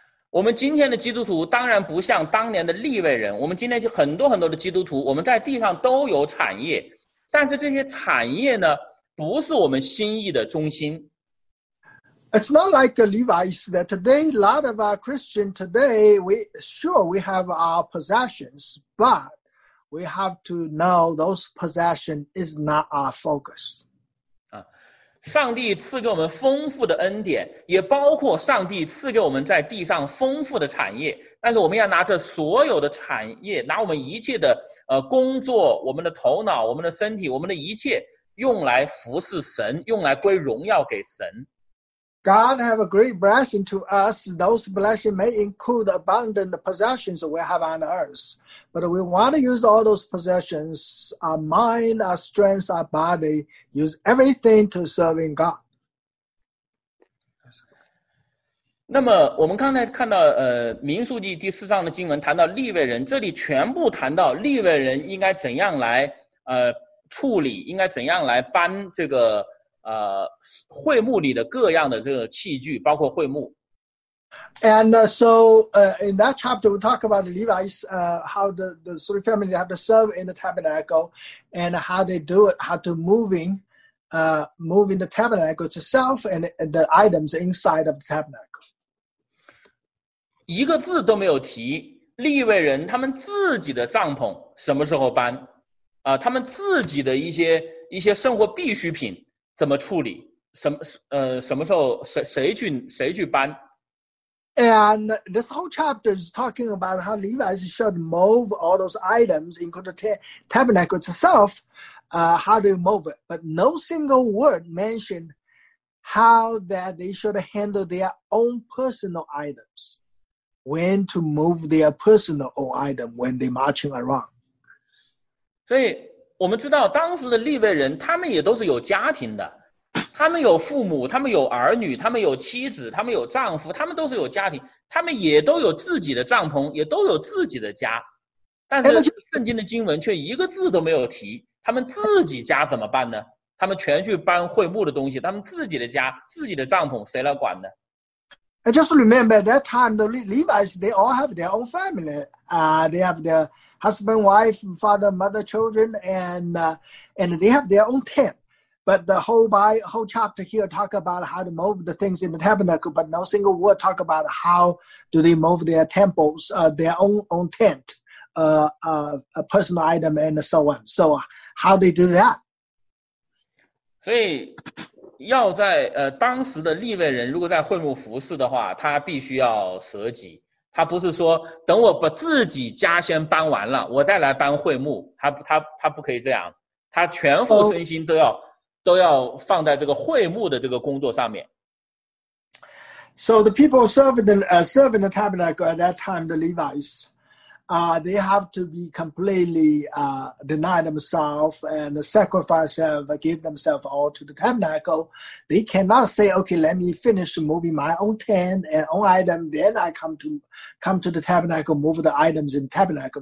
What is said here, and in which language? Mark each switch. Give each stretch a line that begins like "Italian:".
Chinese: 我们今天的基督徒当然不像当年的利未人。我们今天就很多很多的基督徒，我们在地上都有产业，但是这些产业呢，不是我们心意的中心。
English: It's not like the Levites that today, a lot of our Christian today, we have our possessions, but we have to know those possession is not our focus.
Chinese: 上帝赐给我们丰富的恩典，也包括上帝赐给我们在地上丰富的产业，但是我们要拿着所有的产业，拿我们一切的工作，我们的头脑，我们的身体，我们的一切用来服侍神，用来归荣耀给神。
English: God have a great blessing to us. Those blessings may include abundant possessions we have on earth. But we want to use all those possessions, our mind, our strength, our body, use everything to serving God.
Chinese: 那么我们刚才看到民数记第四章的经文谈到利未人，这里全部谈到利未人应该怎样来处理，应该怎样来搬这个会幕里的各样的这个器具，包括会幕。
English: And so, in that chapter, we talk about the Levites, how the three families have to serve in the tabernacle, and how they do it, how to moving the tabernacle itself and the items inside of the tabernacle.
Chinese: 一个字都没有提，利未人他们自己的帐篷什么时候搬，他们自己的一些生活必需品怎么处理，什么时候谁去搬。
English: And this whole chapter is talking about how Levites should move all those items, including the tabernacle itself, how to move it. But no single word mentioned how that they should handle their own personal items, when to move their personal item when they marching around.
Chinese: 所以我们知道当时的利未人他们也都是有家庭的，他们有父母，他们有儿女，他们有妻子，他们有丈夫，他们都是有家庭，他们也都有自己的帐篷，也都有自己的家，但是圣经的经文却一个字都没有提他们自己家怎么办呢？他们全去搬会幕的东西，他们自己的家自己的帐篷谁来管呢？
English: And just remember at that time, the Levites, they all have their own family. They have their husband, wife, father, mother, children, and they have their own tent. But the whole chapter here talk about how to move the things in the tabernacle, but no single word talk about how do they move their temples, their own tent, a personal item, and so on. So how they do that? So...
Chinese: 要在当时的利未人如果在会幕服事的话，他必须要舍己，他不是说等我把自己家先搬完了我再来搬会幕，他不可以这样，他全副身心都要放在这个会幕的这个工作上面。
English: So the people serving the tabernacle at that time, the Levites, they have to be completely deny themselves and sacrifice themselves, give themselves all to the tabernacle. They cannot say, okay, let me finish moving my own tent and own item, then I come to the tabernacle, move the items in the tabernacle.